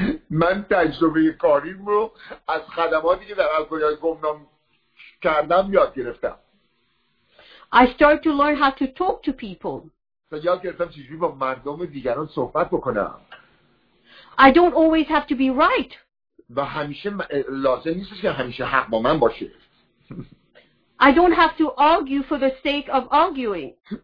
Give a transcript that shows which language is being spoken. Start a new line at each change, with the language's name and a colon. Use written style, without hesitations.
Persian: من تجربه کاریم رو از خدماتی که در الکلیار گمنام کردم یاد گرفتم.
English: I started to learn how to talk to people.
Persian: تا یاد گرفتم چجوری با مردم دیگران صحبت بکنم.
English: I don't always have to be right.
Persian: و همیشه لازم نیست که همیشه حق با من باشه.
English: I don't have to argue for the sake of arguing.